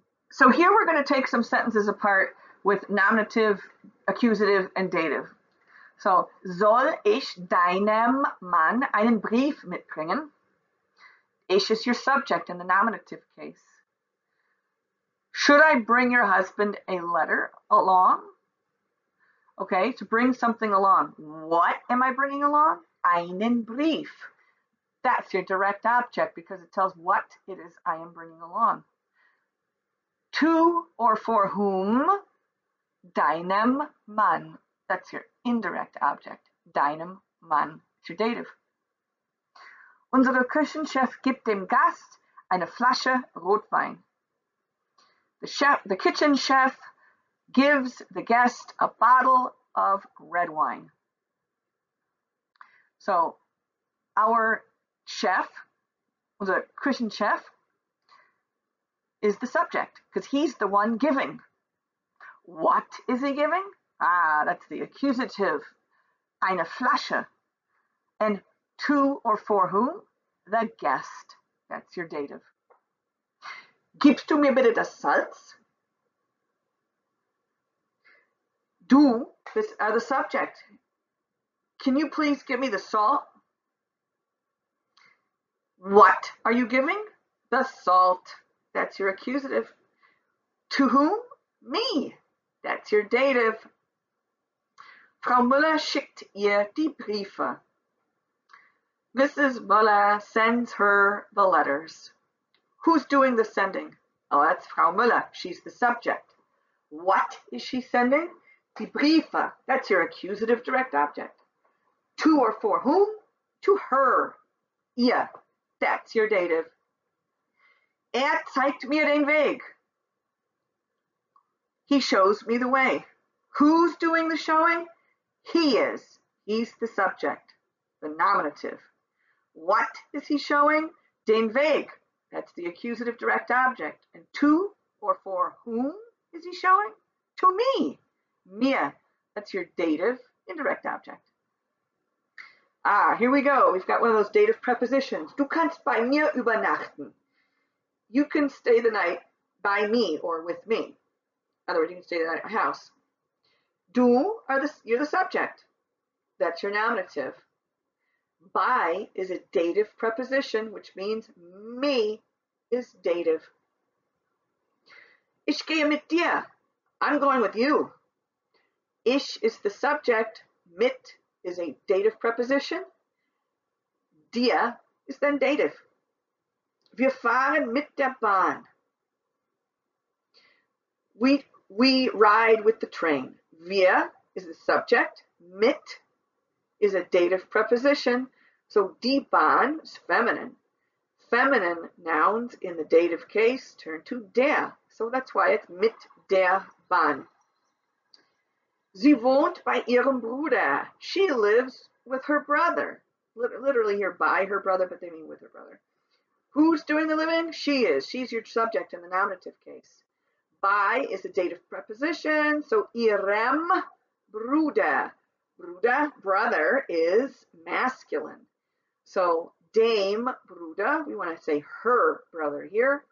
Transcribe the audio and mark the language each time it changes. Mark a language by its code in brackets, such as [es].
[en] So here we're going to take some sentences apart with nominative, accusative, and dative. [de] So, soll ich deinem Mann einen Brief mitbringen? [en] Ich is your subject in the nominative case. Should I bring your husband a letter along? Okay, to bring something along. What am I bringing along? [de] Einen Brief. [en] That's your direct object because it tells what it is I am bringing along. To or for whom? [de] Deinem Mann. [en] That's your indirect object. [de] Deinem Mann. [en] It's your dative. [de] Unsere Küchenchef gibt dem Gast eine Flasche Rotwein. [en] The kitchen chef gives the guest a bottle of red wine. So, our chef, the Christian chef, is the subject because he's the one giving. What is he giving? Ah, that's the accusative. [de] Eine Flasche. [en] And to or for whom? The guest. That's your dative. [de] Gibst du mir bitte das Salz? Du bist [en] the subject. Can you please give me the salt? What are you giving? The salt. That's your accusative. To whom? Me. That's your dative. [de] Frau Müller schickt ihr die Briefe. [en] Mrs. Müller sends her the letters. Who's doing the sending? Oh, that's Frau Müller. She's the subject. What is she sending? [de] Die Briefe. [en] That's your accusative direct object. To or for whom? To her. [de] Ihr. [en] That's your dative. [de] Zeigt mir den Weg. [en] He shows me the way. Who's doing the showing? He is. He's the subject. The nominative. What is he showing? [de] Den Weg. [en] That's the accusative direct object. And to or for whom is he showing? To me. [de] Mir. [en] That's your dative indirect object. Ah, here we go. We've got one of those dative prepositions. [de] Du kannst bei mir übernachten. [en] You can stay the night by me or with me. In other words, you can stay the night at my house. Du, you're the subject. That's your nominative. By is a dative preposition, which means me is dative. [de] Ich gehe mit dir. [en] I'm going with you. Ich is the subject. Mit is a dative preposition. Dir is then dative. [de] Wir fahren mit der Bahn. [en] We ride with the train. Wir is the subject. Mit is a dative preposition. So [de] die Bahn [en] is feminine. Feminine nouns in the dative case turn to der. So that's why it's [de] mit der Bahn. Sie wohnt bei ihrem Bruder. [en] She lives with her brother. Literally here by her brother, but they mean with her brother. Who's doing the living? She is. She's your subject in the nominative case. By is a dative preposition. So [de] ihrem Bruder. [en] Bruder, brother, is masculine. So [de] dem Bruder, [en] we want to say her brother here.